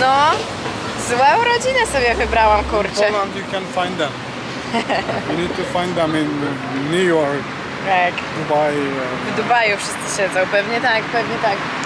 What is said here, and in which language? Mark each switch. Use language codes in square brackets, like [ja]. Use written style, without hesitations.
[pl] No, złą rodzinę sobie wybrałam, kurczę. [en] In Poland you can find them. You need to find them in New York. [pl] Tak. Dubai. W Dubaju wszyscy siedzą. Pewnie tak, pewnie tak.